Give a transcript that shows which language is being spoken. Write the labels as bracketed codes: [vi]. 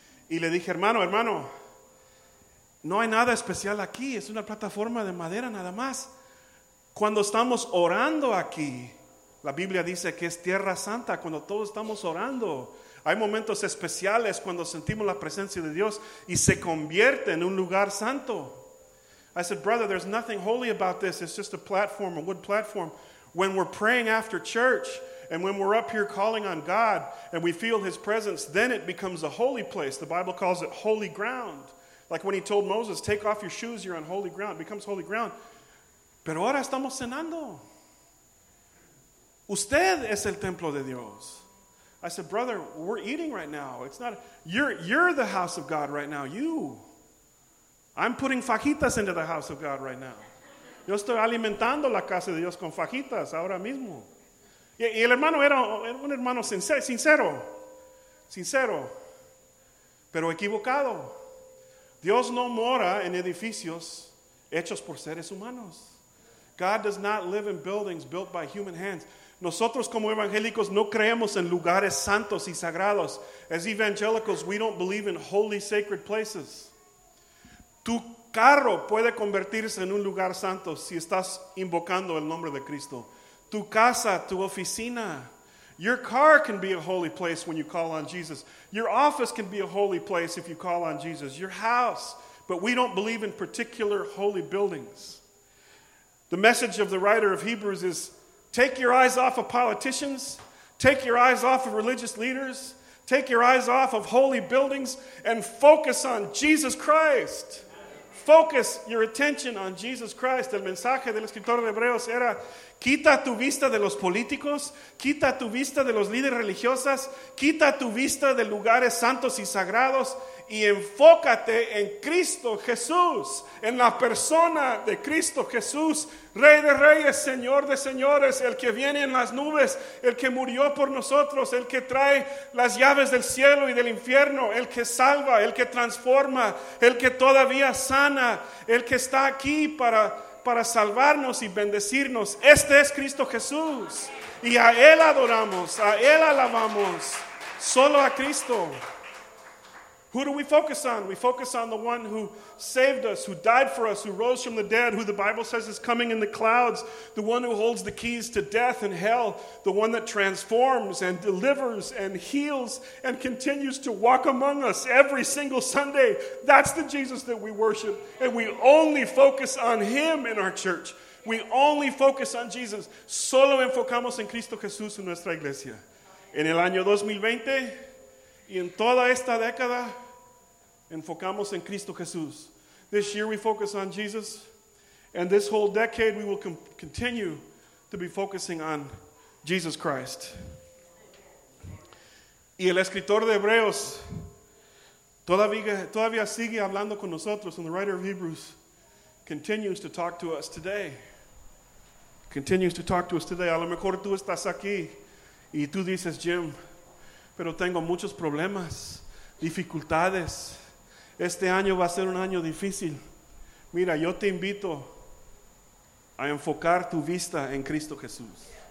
[es] Y le dije, hermano, no hay nada especial aquí. Es una plataforma de madera nada más. Cuando estamos orando aquí, la Biblia dice que es tierra santa. Cuando todos estamos orando, hay momentos especiales cuando sentimos la presencia de Dios y se convierte en un lugar santo. [en] I said, brother, there's nothing holy about this. It's just a platform, a wood platform. When we're praying after church, and when we're up here calling on God and we feel his presence, then it becomes a holy place. The Bible calls it holy ground. Like when he told Moses, take off your shoes, you're on holy ground. It becomes holy ground. [es] Pero ahora estamos cenando. Usted es el templo de Dios. [en] I said, brother, we're eating right now. It's not, you're the house of God right now. You. I'm putting fajitas into the house of God right now. [es] Yo estoy alimentando la casa de Dios con fajitas ahora mismo. Y el hermano era un hermano sincero, pero equivocado. Dios no mora en edificios hechos por seres humanos. [en] God does not live in buildings built by human hands. [es] Nosotros como evangélicos no creemos en lugares santos y sagrados. [en] As evangelicals, we don't believe in holy sacred places. [es] Tu carro puede convertirse en un lugar santo si estás invocando el nombre de Cristo. Tu casa, tu oficina. [en] Your car can be a holy place when you call on Jesus. Your office can be a holy place if you call on Jesus. Your house. But we don't believe in particular holy buildings. The message of the writer of Hebrews is, take your eyes off of politicians. Take your eyes off of religious leaders. Take your eyes off of holy buildings and focus on Jesus Christ. Focus your attention on Jesus Christ. [es] El mensaje del escritor de Hebreos era, quita tu vista de los políticos, quita tu vista de los líderes religiosos, quita tu vista de lugares santos y sagrados, y enfócate en Cristo Jesús, en la persona de Cristo Jesús, Rey de Reyes, Señor de Señores, el que viene en las nubes, el que murió por nosotros, el que trae las llaves del cielo y del infierno, el que salva, el que transforma, el que todavía sana, el que está aquí para salvarnos y bendecirnos. Este es Cristo Jesús, y a Él adoramos, a Él alabamos, solo a Cristo. [en] Who do we focus on? We focus on the one who saved us, who died for us, who rose from the dead, who the Bible says is coming in the clouds, the one who holds the keys to death and hell, the one that transforms and delivers and heals and continues to walk among us every single Sunday. That's the Jesus that we worship. And we only focus on Him in our church. We only focus on Jesus. [es] Solo enfocamos en Cristo Jesús en nuestra iglesia. En el año 2020... Y en toda esta década, enfocamos en Cristo Jesús. [en] This year we focus on Jesus. And this whole decade we will continue to be focusing on Jesus Christ. [es] Y el escritor de Hebreos todavía sigue hablando con nosotros. [en] And the writer of Hebrews continues to talk to us today. Continues to talk to us today. [es] A lo mejor tú estás aquí y tú dices, Jim, pero tengo muchos problemas, dificultades. Este año va a ser un año difícil. Mira, yo te invito a enfocar tu vista en Cristo Jesús.